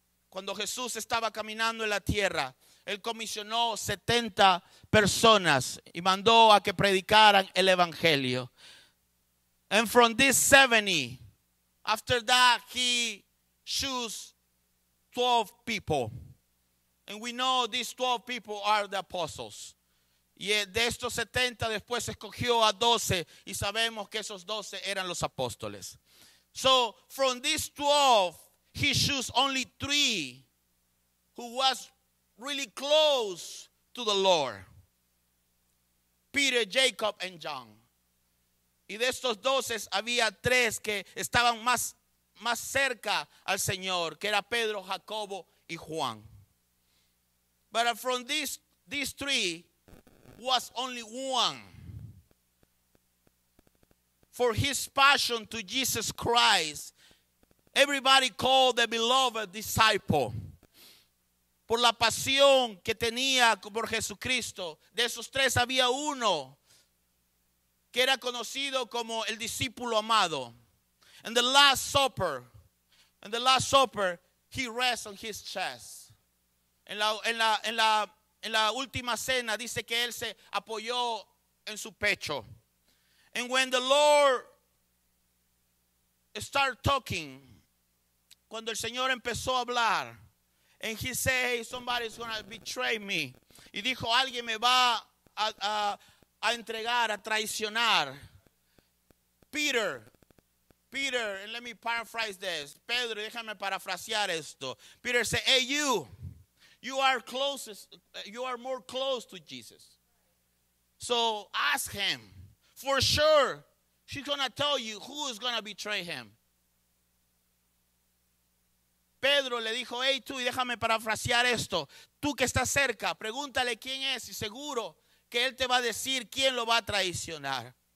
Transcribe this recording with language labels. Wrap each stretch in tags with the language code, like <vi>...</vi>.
<es>Cuando Jesús estaba caminando en la tierra, Él comisionó 70 personas y mandó a que predicaran el evangelio.</es> <en>And from these 70, after that he chose 12 people. And we know these 12 people are the apostles.</en> <es>Y de estos 70 después escogió a 12 y sabemos que esos 12 eran los apóstoles.</es> <en>So from these 12, he chose only 3 who was really close to the Lord. Peter, Jacob, and John.</en> <es>Y de estos 12 había 3 que estaban más cerca al Señor, que era Pedro, Jacobo y Juan.</es> <en>But from these 3 was only 1. For his passion to Jesus Christ, everybody called the beloved disciple.</en> <es>Por la pasión que tenía por Jesucristo, de esos 3 había 1 que era conocido como el discípulo amado.</es> <en>In the last supper, he rests on his chest.</en> <es>En la última cena, dice que él se apoyó en su pecho.</es> <en>And when the Lord started talking,</en> <es>cuando el Señor empezó a hablar,</es> <en>and he said, hey, somebody's going to betray me.</en> <es>Y dijo, alguien me va a entregar, a traicionar.</es> <en>Peter, and let me paraphrase this.</en> <es>Pedro, déjame parafrasear esto.</es> <en>Peter said, hey, you are more close to Jesus. So ask him. For sure, she's going to tell you who is going to betray him.</en> <es>Pedro le dijo, hey, tú, y déjame parafrasear esto. Tú que estás cerca, pregúntale quién es y seguro que él te va a decir quién lo va a traicionar.</es>